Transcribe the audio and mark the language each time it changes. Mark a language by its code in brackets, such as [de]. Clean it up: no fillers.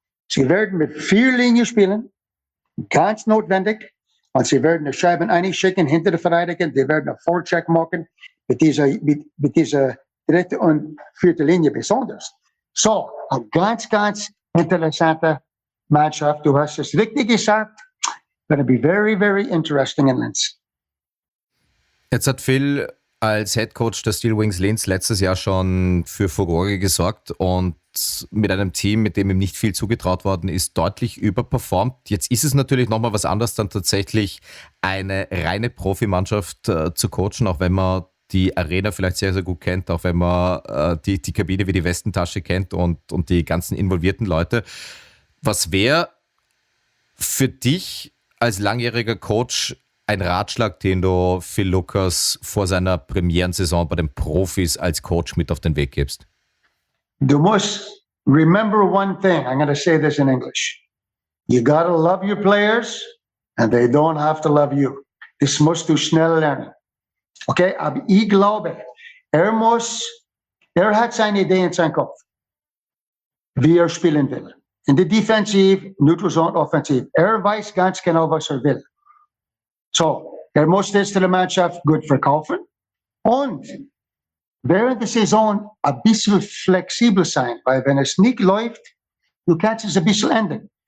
[de] Sie werden mit 4 Linien spielen, ganz notwendig. Und sie werden die Scheiben einschicken hinter der Verteidigung. Sie werden einen Vorcheck machen mit dieser dritte und vierte Linie besonders. So, eine ganz, ganz interessante Mannschaft. Du hast es richtig gesagt. [en] Gonna be very, very interesting in Linz. [de] Jetzt hat Phil als Head Coach der Steel Wings Linz letztes Jahr schon für Furore gesorgt und mit einem Team, mit dem ihm nicht viel zugetraut worden ist, deutlich überperformt. Jetzt ist es natürlich nochmal was anderes, dann tatsächlich eine reine Profimannschaft zu coachen, auch wenn man die Arena vielleicht sehr, sehr gut kennt, auch wenn man die Kabine wie die Westentasche kennt und die ganzen involvierten Leute. Was wäre für dich als langjähriger Coach ein Ratschlag, den du Phil Lucas vor seiner Premierensaison bei den Profis als Coach mit auf den Weg gibst? Du musst [en] remember one thing. I'm going to say this in English. You got to love your players and they don't have to love you. [de] Das musst du schnell lernen. Okay, aber ich glaube, er hat seine Idee in seinem Kopf, wie er spielen will. In der Defensive, Neutral Zone, Offensive. Er weiß ganz genau, was er will. So, muss das der Mannschaft gut verkaufen. Und während der Saison ein bisschen flexibel sein, weil wenn es nicht läuft, du kannst es ein bisschen ändern.